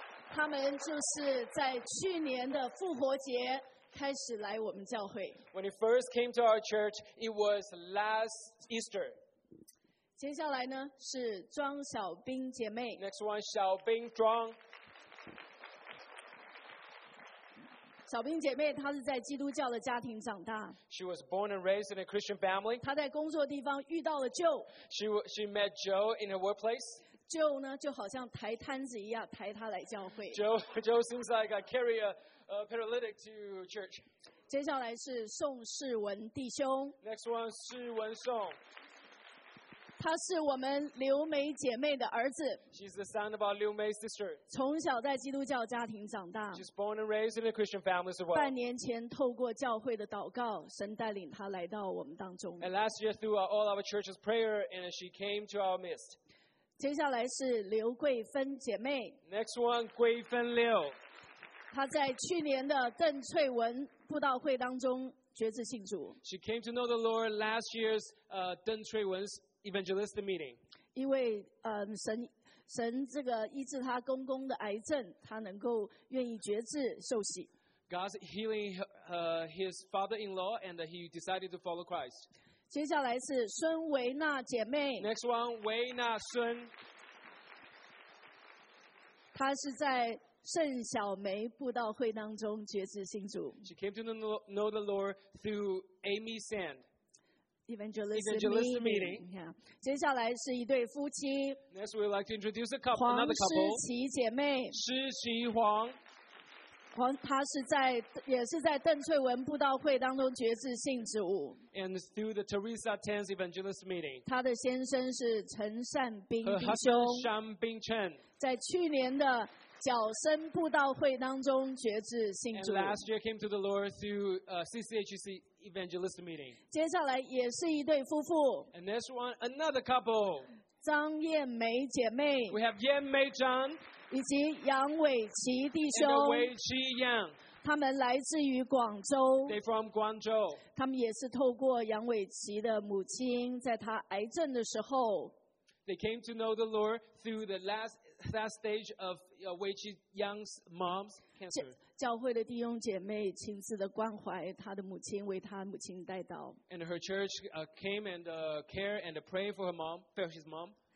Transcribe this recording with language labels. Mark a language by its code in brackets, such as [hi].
[zh] 他们就是在去年的复活节开始来我们教会。 [en] When he first came to our church, it was last Easter. [zh] 接下来呢是庄小兵姐妹。 [en] Next one, 小兵庄。 [zh] 小兵姐妹，她是在基督教的家庭长大。 [en] She was born and raised in a Christian family. [zh] 她在工作地方遇到了 Joe. [en] She met Joe in her workplace. [zh] Joe 呢，就好像抬摊子一样抬她来教会。 [en] Joe seems like I carry a paralytic to church. [zh] 接下来是宋世文弟兄。 [en] Next one, 世文宋。 [zh] 他是我们刘梅姐妹的儿子。 [en] She's the son of our Liu Mei sister. [zh] 从小在基督教家庭长大。 [en] She's born and raised in a Christian family as well. [zh] 半年前透过教会的祷告，神带领他来到我们当中。 [en] And last year through all our church's prayer, and she came to our midst. [zh] 接下来是刘桂芬姐妹。 [en] Next one, 桂芬刘。 [zh] 她在去年的邓翠文布道会当中决志信主。 [en] She came to know the Lord last year's邓翠文's Evangelist meeting. [zh] 因为神这个医治他公公的癌症，他能够愿意决志受洗。 [en] God's healing his father-in-law, and he decided to follow Christ. [zh] 接下来是孙维娜姐妹。 [en] Next one, 维娜孙。 [zh] 她是在圣小梅布道会当中决志信主。 [en] She came to know the Lord through Amy Sand. Evangelist meeting.、Yeah. [zh] 接下来是一对夫妻。 [en] Next, we'd like to introduce a couple, another couple. [zh] 黄诗琪姐妹。诗琪黄。黄，她是在也是在邓翠文布道会当中决志信主。 [en] And through the Teresa Tan's Evangelist meeting. [zh] 她的先生是陈善兵弟兄。 [en] Her husband, Shan Bing Chen. [zh] 在去年的角声布道会当中决志信主。 [en] And last year came to the Lord through CCHC. Evangelist meeting. [zh] 接下来也是一对夫妇。 [en] And next one, another couple. [zh] 张燕梅姐妹。 [en] We have 燕梅张。 [zh] 以及杨伟琪弟兄。伟琪杨。他们来自于广州。 [en] They from 广州。 [zh] 他们也是透过杨伟琪的母亲，在他癌症的时候。 [en] They came to know the Lord through the last stage of Wei Qi Yang's mom's cancer. [zh] 教会的弟兄姐妹亲自的关怀他的母亲，为他母亲带祷。 [en] And her church came and care and pray for her mom, for his mom.